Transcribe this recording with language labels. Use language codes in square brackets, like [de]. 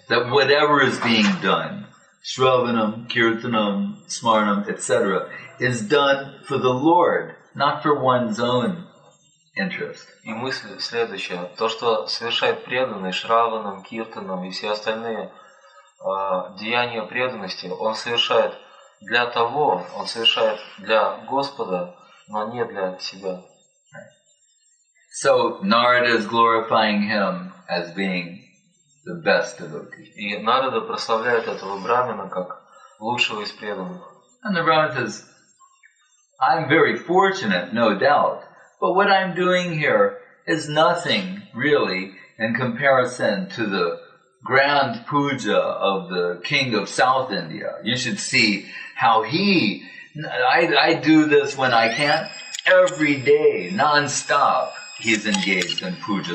[en] That whatever is being done, shravanam, kirtanam, smaranam, etc., is done for the Lord, not for one's own interest. [ru] И мысль следующая: то, что совершает преданный шраванам, киртанам и все остальные деяния преданности, он совершает для того, он совершает для Господа, но не для себя. [en] So Narada is glorifying him as being the best devotee. [ru] И Нарада прославляет этого брамина как лучшего из преданных. [en] And the brahmin says, "I'm very fortunate, no doubt, but what I'm doing here is nothing really in comparison to the grand puja of the king of South India. You should see how he, I do this when I can't, every day, non-stop, he's engaged in puja.